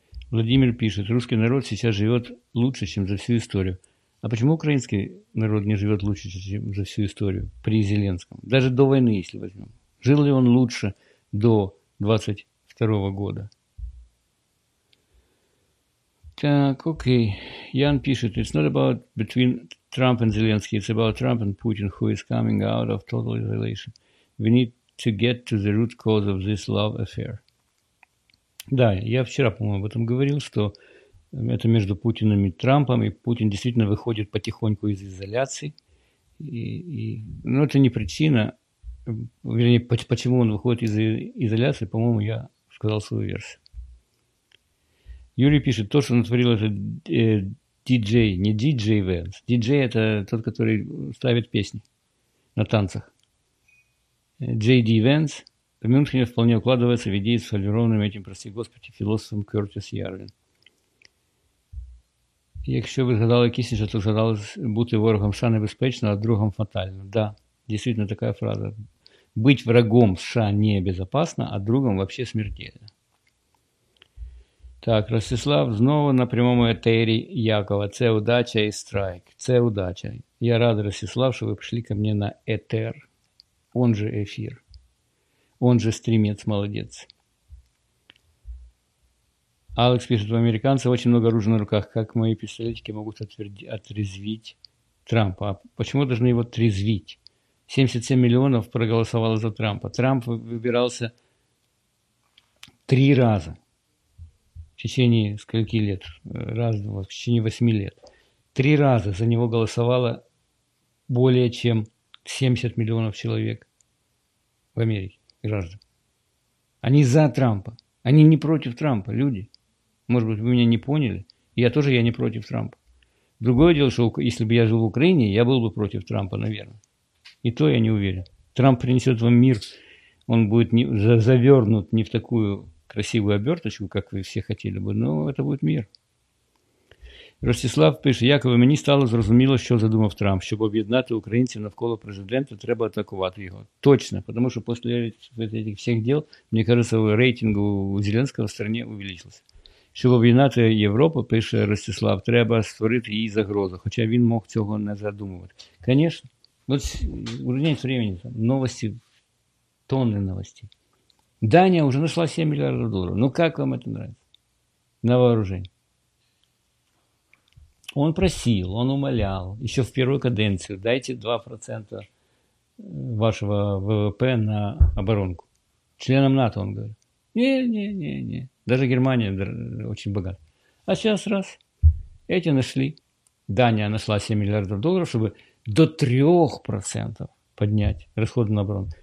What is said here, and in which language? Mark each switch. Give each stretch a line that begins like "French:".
Russian: Владимир пишет, русский народ сейчас живет лучше, чем за всю историю. А почему украинский народ не живет лучше, чем за всю историю при Зеленском? Даже до войны, если возьмем. Жил ли он лучше до 22-го года? Так, окей.
English: Ян
Russian: пишет,
English: it's not about between Trump and Zelensky, it's about Trump and Putin, who is coming out of total isolation. We need to get to the root cause of this love affair.
Russian: Да, я вчера, по-моему, об этом говорил, что это между Путиным и Трампом, и Путин действительно выходит потихоньку из изоляции. Но это не причина, вернее, почему он выходит из изоляции, по-моему, я сказал свою версию. Юрий пишет, то, что натворил этот диджей, не диджей Венс, диджей – это тот, который ставит песни на танцах. Джей Ди Венс – в Мюнхене вполне укладывается в идею с фольгированным этим, прости господи, философом Кертис Ярвин.
Ukrainian: Якщо ви згадали Кісінджера, то згадалось бути ворогом США небезпечно, а другом фатально.
Russian: Да, действительно такая фраза. Быть врагом США небезопасно, а другом вообще смертельно.
Ukrainian: Так, Ростислав, знову на прямому етері Якова. Це удача і страйк. Це удача.
Russian: Я рад,
Ukrainian: Ростислав, що ви прийшли
Russian: ко мне
Ukrainian: на етер,
Russian: он же
Ukrainian: ефір.
Russian: Он же стримец, молодец. Алекс пишет, у американцев очень много оружия на руках. Как мои пистолетики могут отрезвить Трампа? А почему должны его трезвить? 77 миллионов проголосовало за Трампа. Трамп выбирался 3 раза в течение скольки лет? Раз, два, в течение 8 лет. 3 раза за него голосовало более чем 70 миллионов человек в Америке, граждан. Они за Трампа. Они не против Трампа, люди. Может быть, вы меня не поняли. Я не против Трампа. Другое дело, что если бы я жил в Украине, я был бы против Трампа, наверное. И то я не уверен. Трамп принесет вам мир. Он будет не, завернут не в такую красивую оберточку, как вы все хотели бы, но это будет мир.
Ukrainian: Ростислав
Russian: пишет, якобы
Ukrainian: мені стало зрозуміло, що задумав Трамп, щоб об'єднати українців навколо президента, треба атакувати його. Точно, тому що після цих всіх діл, мені кажется, рейтинг у Зеленського в країні увеличився. Щоб об'єднати Європу, пише Ростислав, треба створити їй загрозу, хоча він мог цього не задумувати. Звісно, от
Russian: уровень времени,
Ukrainian: новості, тонни новості. Данія вже знайшла 7 мільярдів доларів. Ну, як вам це подобається?
Russian: На вооружение. Он просил, он умолял еще в первую каденцию, дайте 2% вашего ВВП на оборонку. Членам НАТО, он говорит. Не. Даже Германия очень богата. А сейчас раз, эти нашли. Дания нашла 7 миллиардов долларов, чтобы до 3% поднять расходы на оборону.